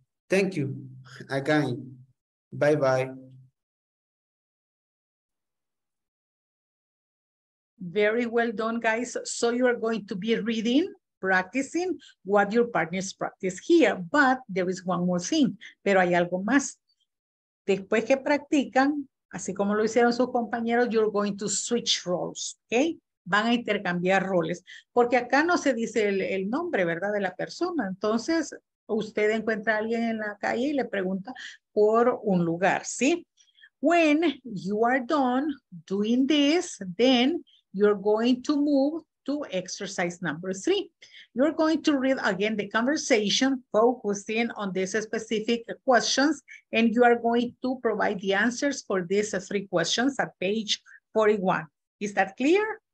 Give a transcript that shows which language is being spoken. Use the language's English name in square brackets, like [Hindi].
[English] Thank you again. Bye-bye. Very well done, guys. So you are going to be reading, practicing what your partners practice here. But there is one more thing. [Spanish] Pero hay algo más. Después que practican, así como lo hicieron sus compañeros, [English] you're going to switch roles. [Spanish] Okay? Van a intercambiar roles, porque acá no se dice el nombre, ¿verdad?, de la persona. Entonces, usted encuentra a alguien en la calle y le pregunta por un lugar, ¿sí? [English] When you are done doing this, then you're going to move to exercise number 3. You're going to read again the conversation, focusing on these specific questions, and you are going to provide the answers for these 3 questions at page 41. Is that clear?